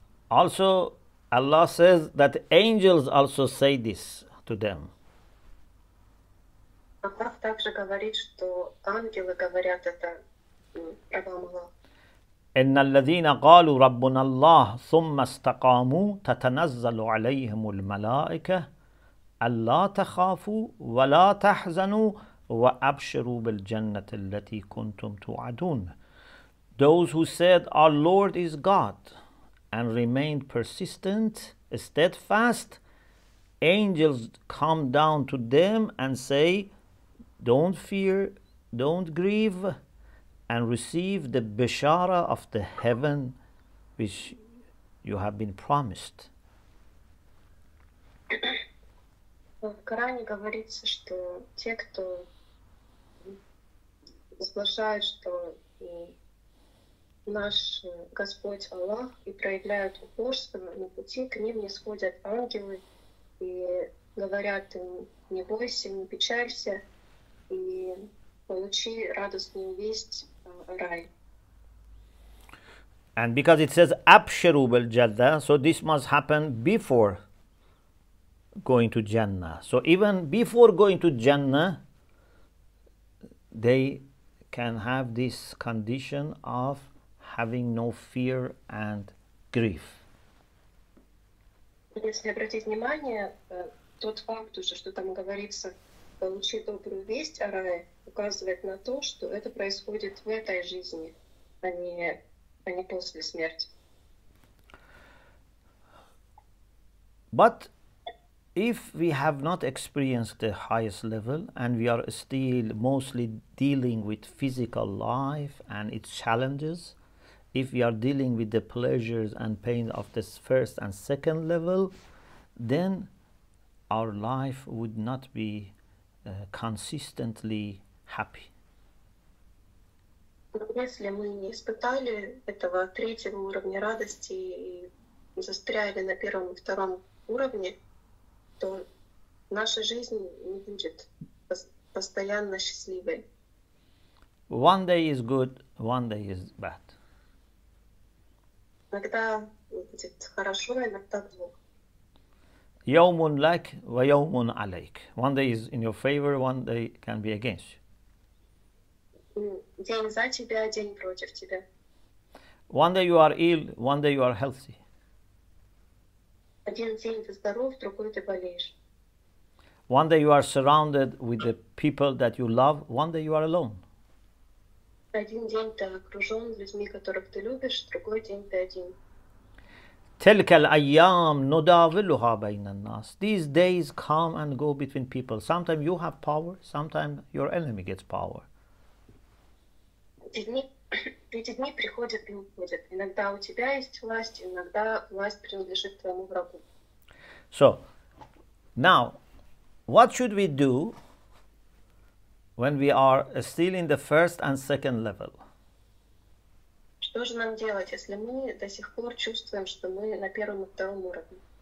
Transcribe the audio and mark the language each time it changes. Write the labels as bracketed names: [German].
[English] Also, Allah says that angels also say this to them. [Russian] Аллах также говорит, что ангелы говорят это рабам Аллаха. [Arabic] إِنَّ الَّذِينَ قَالُوا رَبُّنَا اللَّهُ ثُمَّ اسْتَقَامُوا تَتَنَزَّلُ عَلَيْهِمُ الْمَلَائِكَةُ أَلَّا تَخَافُوا وَلَا تَحْزَنُوا وَأَبْشِرُوا بِالْجَنَّةِ الَّتِي كُنْتُمْ تُوعَدُونَ. [English] Those who said, "Our Lord is God," and remained persistent, steadfast, angels come down to them and say, "Don't fear, don't grieve, and receive the bishara of the heaven which you have been promised." [Russian] В Коране говорится, что те, кто возглашают, что наш Господь Аллах и проявляют упорство на пути, к ним нисходят ангелы и говорят им: не бойся, не печалься, и получи радостную весть. [English] And because it says [Arabic] Abshiru bil Jannah, [English] so this must happen before going to Jannah. So even before going to Jannah, they can have this condition of having no fear and grief. [Russian] Если обратить внимание, тот факт уже, что там говорится, получи добрую весть о рае, указывает на то, что это происходит в этой жизни, а не после смерти. [English] But if we have not experienced the highest level and we are still mostly dealing with physical life and its challenges, if we are dealing with the pleasures and pains of this first and second level, then our life would not be consistently happy. [Russian] Но если мы не испытали этого третьего уровня радости и застряли на первом и втором уровне, то наша жизнь не будет постоянно счастливой. [English] One day is good, one day is bad. [Russian] Иногда будет хорошо, иногда плохо. [Arabic] Йомун лак ва йомун алейк. [English] One day is in your favor, one day can be against you. [Russian] День за тебя, день против тебя. [English] One day you are ill, one day you are healthy. [Russian] Один день ты здоров, другой ты болеешь. [English] One day you are surrounded with the people that you love, one day you are alone. [Russian] Один день ты окружен людьми, которых ты любишь, другой день ты один. [Arabic] تلك الأيام نداولها بين الناس. [English] These days come and go between people. Sometimes you have power, sometimes your enemy gets power. [Russian] Эти дни приходят и уходят. Иногда у тебя есть власть, иногда власть принадлежит твоему врагу. [English] So, now, what should we do when we are still in the first and second level? [Russian] Что же нам делать, если мы до сих пор чувствуем, что мы на первом и втором уровне?